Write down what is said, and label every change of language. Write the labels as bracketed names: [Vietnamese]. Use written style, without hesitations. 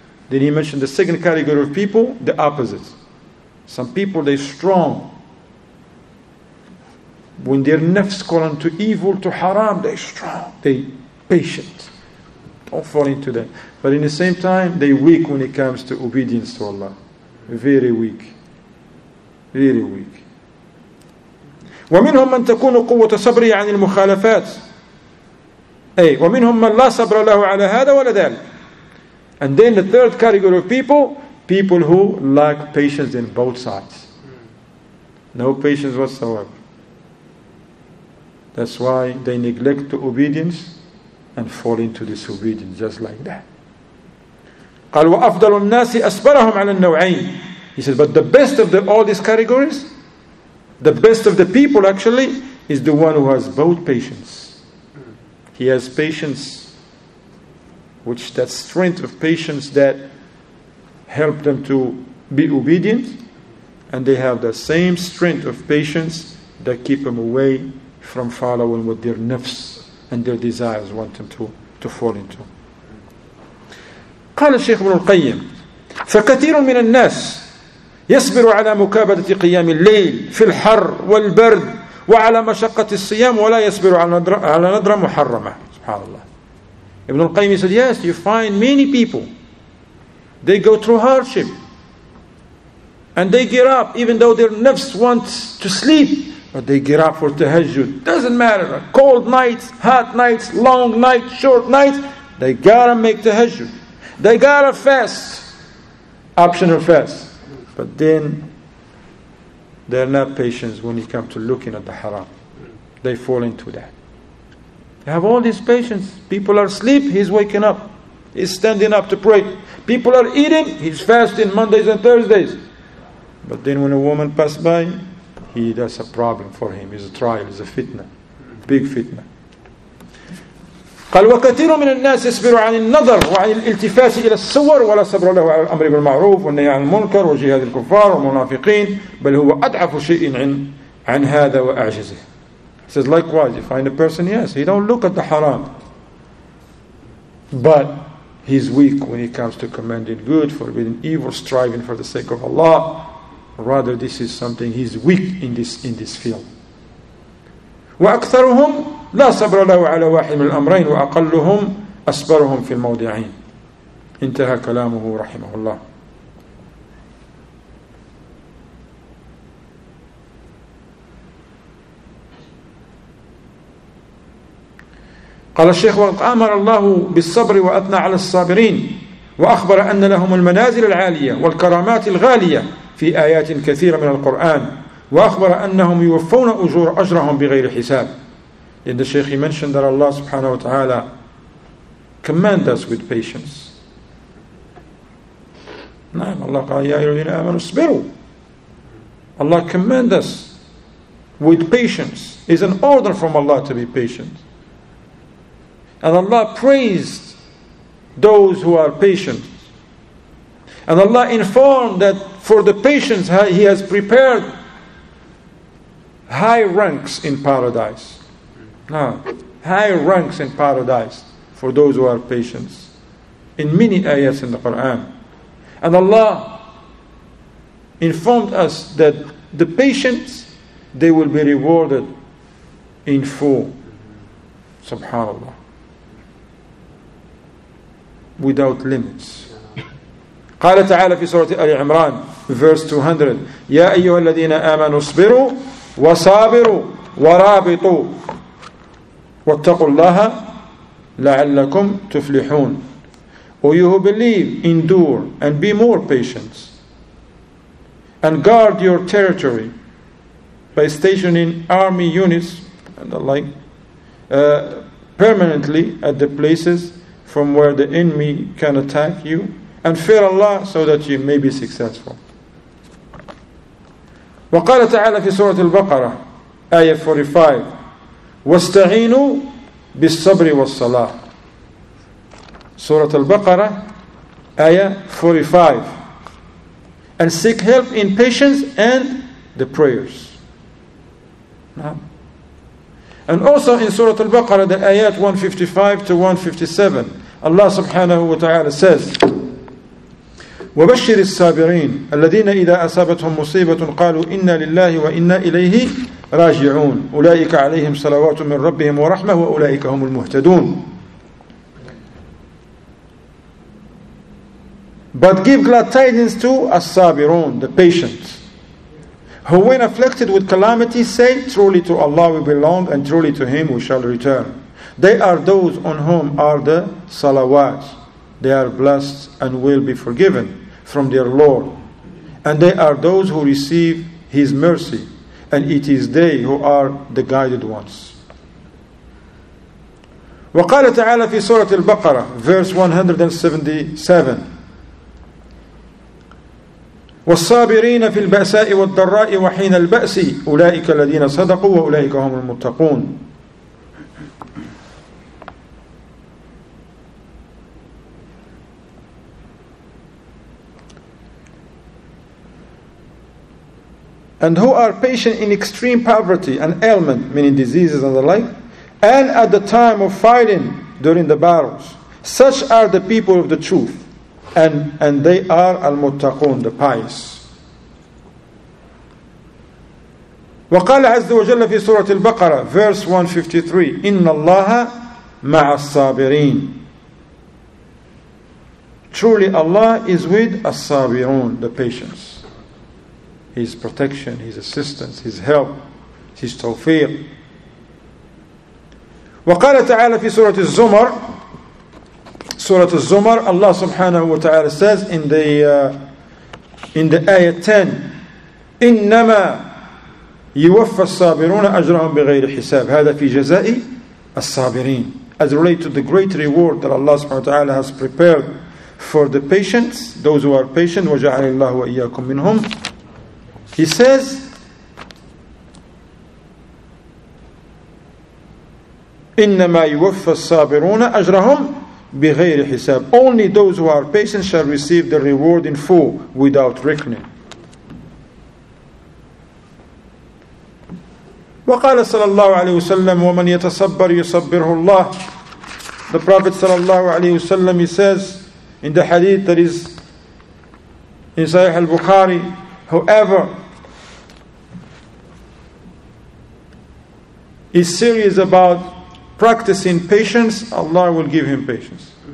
[English] Then he mentioned the second category of people, the opposite. Some people, they're strong. When their nafs call unto evil, to haram, they're strong, they're patient. Don't fall into that. But in the same time, they're weak when it comes to obedience to Allah. Very weak. Very weak. [Arabic] ومنهم من تكون قوة صبري عن المخالفات أي ومنهم من لا صبر له على هذا ولا ذلك. [English] And then the third category of people who lack patience in both sides. No patience whatsoever. That's why they neglect the obedience and fall into disobedience just like that. [Arabic] قال وأفضل الناس أصبرهم على النوعين. [English] He said, but the best of all these categories, the best of the people actually, is the one who has both patience. He has patience, which that strength of patience that helped them to be obedient, and they have the same strength of patience that keep them away from following what their nafs and their desires want them to fall into. [Arabic] قال الشيخ ابن القيم فكثير من الناس يصبر على مكابدة قيام الليل في الحر والبرد وعلى مشقة الصيام ولا يصبر على نذر محرمة. سبحان الله. [English] Ibn al-Qayyim said, yes, you find many people, they go through hardship and they get up even though their nafs wants to sleep, but they get up for tahajjud. Doesn't matter, cold nights, hot nights, long nights, short nights, they gotta make tahajjud. They gotta fast, optional fast. But then, they're not patient when it comes to looking at the haram. They fall into that. They have all this patience. People are asleep, he's waking up. He's standing up to pray. People are eating, he's fasting Mondays and Thursdays. But then when a woman passed by, that's a problem for him. It's a trial, it's a fitna. Big fitna. [Arabic] قال وكثير من الناس يصبر عن النظر وعن الالتفات الى الصور ولا صبر له على الامر بالمعروف والنهي عن المنكر وجهاد الكفار والمنافقين بل هو اضعف شيء عن هذا واعجزه. [English] He says likewise, you find a person, yes, he don't look at the haram, but he's weak when it comes to commanding good, forbidding evil, striving for the sake of Allah. Rather, this is something he's weak in this field. [Arabic] وأكثرهم لا صبر له على واحد من الأمرين وأقلهم أصبرهم في الموضعين. انتهى كلامه رحمه الله. قال الشيخ وقد أمر الله بالصبر وأثنى على الصابرين وأخبر أن لهم المنازل العالية والكرامات الغالية في آيات كثيرة من القرآن وأخبر أنهم يوفون أجرهم بغير حساب. [English] And the Shaykh, he mentioned that Allah subhanahu wa ta'ala command us with patience. [Arabic] نعم الله قال يا أيها الذين آمنوا اصبروا. [English] Allah command us with patience. It's an order from Allah to be patient. And Allah praised those who are patient. And Allah informed that for the patience He has prepared high ranks in paradise. High ranks in paradise for those who are patient. In many ayats in the Quran. And Allah informed us that the patients, they will be rewarded in full. Subhanallah. Without limits. [Arabic] قال تعالى في سورة آل عمران [English] verse 200 [Arabic] يا أيها الذين آمنوا اصبروا وصابروا ورابطوا واتقوا الله لعلكم تفلحون. [English] O you who believe, endure and be more patient and guard your territory by stationing army units and the like permanently at the places from where the enemy can attack you, and fear Allah so that you may be successful. [Arabic] وقال تعالى في سورة البقرة آية 45 واستعينوا بالصبر والصلاة. سورة البقرة آية 45 [English] and seek help in patience and the prayers. And also in Surah Al-Baqarah, the ayat 155 to 157, Allah subhanahu wa ta'ala says, [Arabic] وَبَشِّرِ الصَّابِرِينَ الَّذِينَ إِذَا أَصَابَتْهُمْ مُصِيبَةٌ قَالُوا إِنَّا لِلَّهِ وَإِنَّا إِلَيْهِ رَاجِعُونَ أُولَٰئِكَ عَلَيْهِمْ صَلَوَاتٌ مِّن رَّبِّهِمْ وَرَحْمَةٌ وَأُولَٰئِكَ هُمُ الْمُهْتَدُونَ. [English] But give glad tidings to الصابرون, the patient, who when afflicted with calamity say, truly to Allah we belong and truly to Him we shall return. They are those on whom are the salawats. They are blessed and will be forgiven from their Lord. And they are those who receive His mercy. And it is they who are the guided ones. [Arabic] وَقَالَ تَعَالَى فِي سُورَةِ الْبَقَرَةِ [English] Verse 177. [Arabic] وَالصَّابِرِينَ فِي الْبَأْسَاءِ وَالضَّرَّاءِ وَحِينَ الْبَأْسِ أُولَٰئِكَ الَّذِينَ صَدَقُوا وَأُولَٰئِكَ هُمُ الْمُتَّقُونَ. [English] And who are patient in extreme poverty and ailment, meaning diseases and the like, and at the time of fighting during the battles. Such are the people of the truth, and they are al-muttaqun, the pious. [Arabic] وَقَالَ عَزَّ وَجَلَّ فِي سُورَةِ الْبَقَرَةِ [English] Verse 153. [Arabic] إِنَّ اللَّهَ مَعَ الصَّابِرِينَ. [English] Truly Allah is with الصابرون, the patients. His protection, His assistance, His help, His tawfiq. [Arabic] وَقَالَ تَعَالَى فِي سُورَةِ الزُّمَرِ سُورَةِ الزُّمَرِ [English] Allah subhanahu wa ta'ala says in the ayah 10, [Arabic] إِنَّمَا يُوَفَّ الصَّابِرُونَ أَجْرَهُمْ بِغَيْرِ حِسَابِ هَذَا فِي جَزَاءِ الصَّابِرِينَ. [English] As related to the great reward that Allah subhanahu wa ta'ala has prepared for the patients, those who are patient, [Arabic] وَجَعَلِ اللَّهُ وَإِيَّاكُمْ مِنْهُمْ. [English] He says, [Arabic] إِنَّمَا يُوَفَّ الصَّابِرُونَ أَجْرَهُمْ بِغَيْرِ حِسَابٍ. [English] Only those who are patient shall receive the reward in full without reckoning. [Arabic] وقال صلى الله عليه وسلم وَمَنْ يَتَصَبَّرْ يُصَبِّرْهُ اللَّهِ. [English] The Prophet [Arabic] صلى الله عليه وسلم, [English] he says in the hadith that is in Sahih al-Bukhari, whoever is serious about practicing patience, Allah will give him patience.